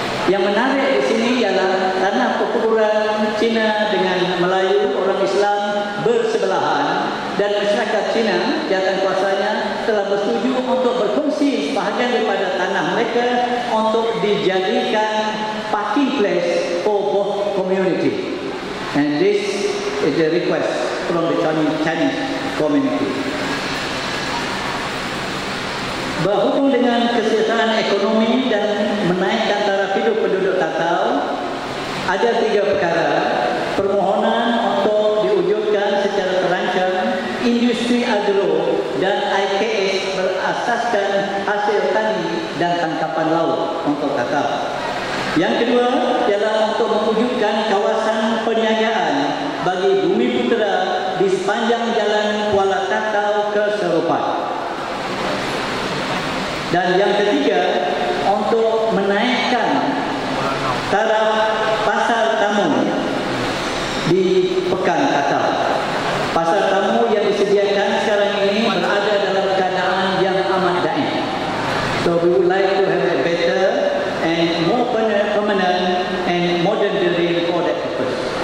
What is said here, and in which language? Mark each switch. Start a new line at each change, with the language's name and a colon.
Malay: Yang menarik di sini ialah tanah perkuburan Cina dengan Melayu, orang Islam bersebelahan dan masyarakat Cina, jawatan kuasanya telah bersetuju untuk berfungsi sebahagian daripada tanah mereka untuk dijadikan
English: parking place for both community. And this is a request from the Chinese community.
Malay: Berhubung dengan kesejahteraan ekonomi dan menaikkan taraf hidup penduduk Tatau, ada tiga perkara. Permohonan untuk diwujudkan secara terancam industri agro dan IKS berasaskan hasil tani dan tangkapan laut untuk Tatau. Yang kedua ialah untuk mewujudkan kawasan perniagaan bagi Bumi Putera di sepanjang jalan Kuala Tatau ke Seropan. Dan yang ketiga, untuk menaikkan taraf pasar tamu di Pekan Tatau. Pasar tamu yang disediakan sekarang ini berada dalam keadaan yang amat daif.
English: So we would like to have a better and more permanent and modern building for that purpose.